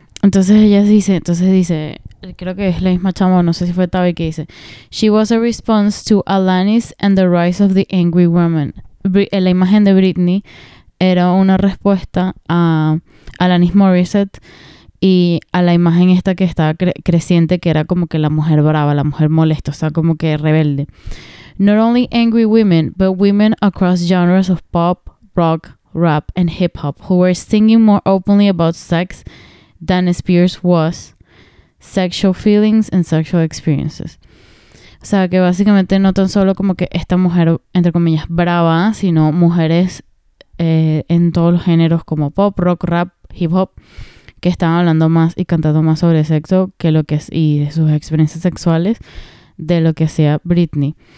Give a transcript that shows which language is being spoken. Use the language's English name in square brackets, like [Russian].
[Spanish] Entonces ella dice, creo que es la misma chama, no sé si fue Tavi que dice, [English] she was a response to Alanis and the rise of the angry woman. [Spanish] La imagen de Britney era una respuesta a Alanis Morissette y a la imagen esta que estaba creciente, que era como que la mujer brava, la mujer molesta, o sea, como que rebelde. [English] Not only angry women, but women across genres of pop, rock, rap, and hip-hop who were singing more openly about sex than Spears was, sexual feelings and sexual experiences. [Spanish] O sea, que básicamente no tan solo como que esta mujer, entre comillas, brava, sino mujeres en todos los géneros como pop, rock, rap, hip-hop, que estaban hablando más y cantando más sobre sexo que lo que es, y de sus experiencias sexuales de lo que hacía Britney.